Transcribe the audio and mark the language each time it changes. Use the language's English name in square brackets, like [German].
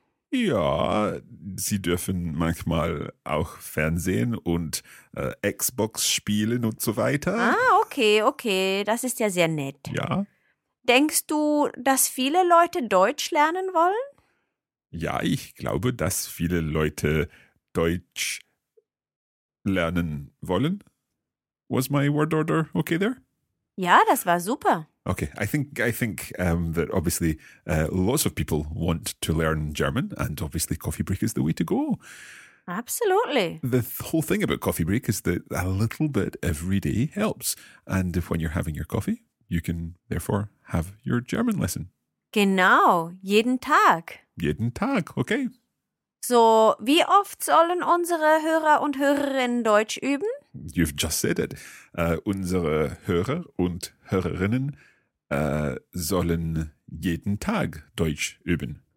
[German] Ja, sie dürfen manchmal auch fernsehen und Xbox spielen und so weiter. Ah, okay, das ist ja sehr nett. Ja. Denkst du, dass viele Leute Deutsch lernen wollen? Ja, ich glaube, dass viele Leute Deutsch lernen wollen. [English] Was my word order okay there? [German] Ja, das war super. [English] Okay, I think that obviously lots of people want to learn German and obviously Coffee Break is the way to go. Absolutely. The whole thing about Coffee Break is that a little bit every day helps. And if when you're having your coffee, you can therefore have your German lesson. [German] Genau, jeden Tag. Jeden Tag, okay. So, wie oft sollen unsere Hörer und Hörerinnen Deutsch üben? [English] You've just said it. [German] Unsere Hörer und Hörerinnen sollen jeden Tag Deutsch üben.